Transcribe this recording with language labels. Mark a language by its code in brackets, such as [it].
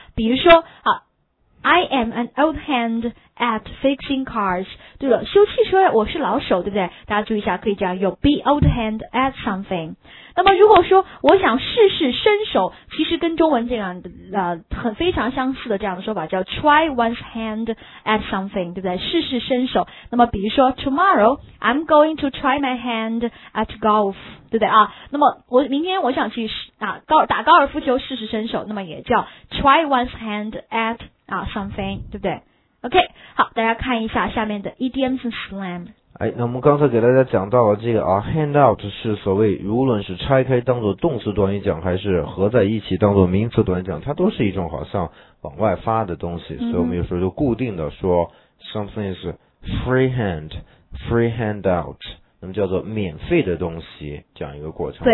[zh] 比如说啊， I am an old hand at fixing cars，对了，修汽车我是老手，对不对？大家注意一下，可以这样，有 be old hand at something。那么如果说我想试试身手，其实跟中文这样的很非常相似的这样的说法叫 try one's hand at something，对不对？试试身手。 [en] 那么比如说 tomorrow I'm going to try my hand at golf，对不对啊？ [zh] 那么我明天我想去打高尔夫球试试身手，那么也叫 try one's hand at something，对不对？ OK， 好，大家看一下下面的 idioms and slang。哎，那我们刚才给大家讲到了这个啊， hand out 是所谓无论是拆开当做动词短语讲，还是合在一起当做名词短语讲，它都是一种好像往外发的东西，所以我们有时候就固定的说 something is free hand， free hand out，那么叫做免费的东西，这样一个过程。